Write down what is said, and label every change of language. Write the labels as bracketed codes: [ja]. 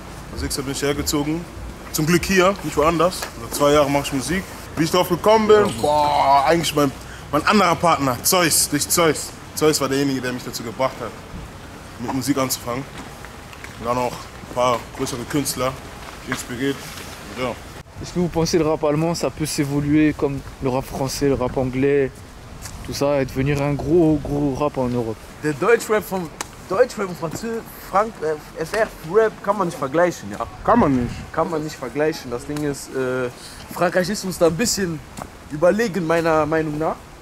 [de] Vor 6 Jahren bin ich hergezogen. Zum Glück hier, nicht woanders. Seit 2 Jahren mache ich Musik. Wie ich darauf gekommen bin, eigentlich mein anderer Partner, Zeus, nicht Zeus. Zeus war derjenige, der mich dazu gebracht hat, mit Musik anzufangen. Und dann auch ein paar größere Künstler inspiriert. [fr] J'adore. Est-ce que vous pensez le rap allemand, ça peut s'évoluer comme le rap français, le rap anglais, tout ça, et devenir un gros, gros rap en Europe? [de] Der Deutschrap vom Deutschrap und Französisch, Frank, FR, Rap, kann man nicht vergleichen, ja. Kann man nicht. Kann man nicht vergleichen. Das Ding ist, Frankreich ist uns da ein bisschen überlegen, meiner Meinung nach.